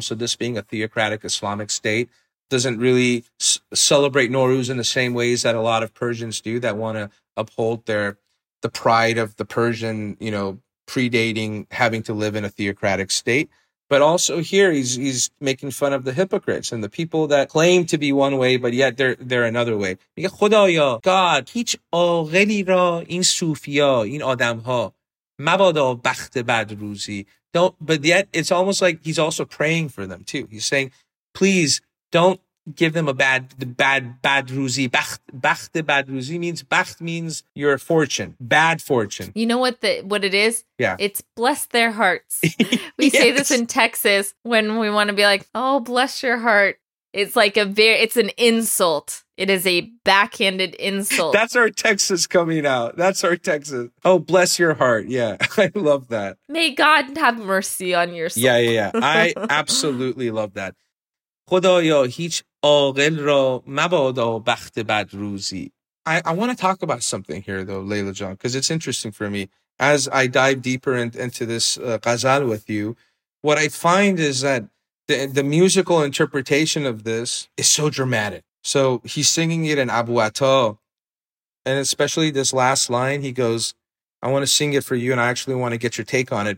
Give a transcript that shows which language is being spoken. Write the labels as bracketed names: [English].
[English] So this being a theocratic Islamic state doesn't really celebrate Nowruz in the same ways that a lot of Persians do that want to uphold the pride of the Persian, you know, predating having to live in a theocratic state. But also here, he's making fun of the hypocrites and the people that claim to be one way, but yet they're another way. [Persian] خدایا, God, هیچ عاقلی را این صوفیا, این آدمها, مبادا بخت بد روزی. [English] Don't, but yet it's almost like he's also praying for them too. He's saying, please don't give them a bad روزی. [Persian] بخت بد روزی [English] means, بخت means your fortune, bad fortune. You know what it is? Yeah. It's bless their hearts. We yes. say this in Texas when we want to be like, oh, bless your heart. It's like it's an insult. It is a backhanded insult. That's our Texas coming out. That's our Texas. Oh, bless your heart. Yeah, I love that. May God have mercy on your soul. Yeah. I absolutely love that. [Persian] خدایا هیچ عاقل را مبادا بخت بد روزی. [English] I want to talk about something here though, Leila John, because it's interesting for me. As I dive deeper into this ghazal with you, what I find is that the musical interpretation of this is so dramatic. So he's singing it in Abu Atta, and especially this last line, he goes, I want to sing it for you, and I actually want to get your take on it.